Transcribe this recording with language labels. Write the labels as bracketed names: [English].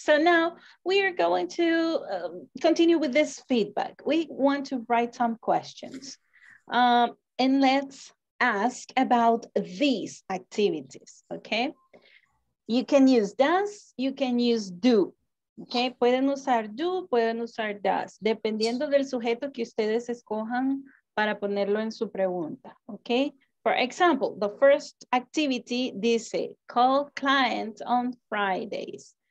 [English] So now we are going to continue with this feedback. We want to write some questions. And let's ask about these activities, okay? You can use does, you can use do. [Spanish] Okay, pueden usar do, pueden usar does, dependiendo del sujeto que ustedes escojan para ponerlo en su pregunta, okay? [English] For example, the first activity dice, call clients on Fridays.